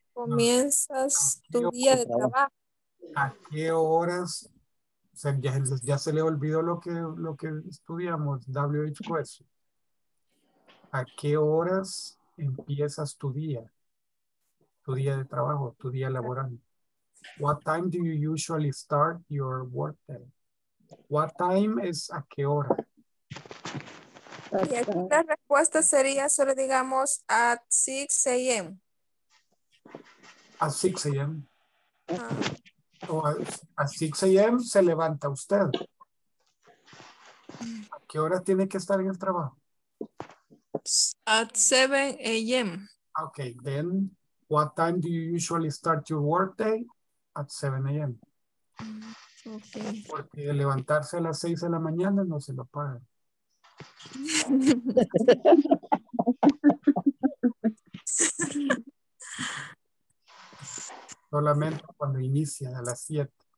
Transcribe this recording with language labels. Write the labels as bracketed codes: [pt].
[es] Comienzas tu día de trabajo. ¿A qué horas? O sea, ya se le olvidó lo que estudiamos, WH question. ¿A qué horas empiezas tu día de trabajo, tu día laboral? [en] What time do you usually start your work day? What time is [es] a qué hora? Y aquí la respuesta sería solo digamos [en] at 6 a.m. At 6 a.m. O at 6 a.m. [es] se levanta usted. ¿A qué hora tiene que estar en el trabajo? [en] At 7 a.m. Okay, then what time do you usually start your work day? At 7 a.m. Okay. [es] Porque levantarse a las 6 de la mañana no se lo paga. Solamente cuando inicia a las 7.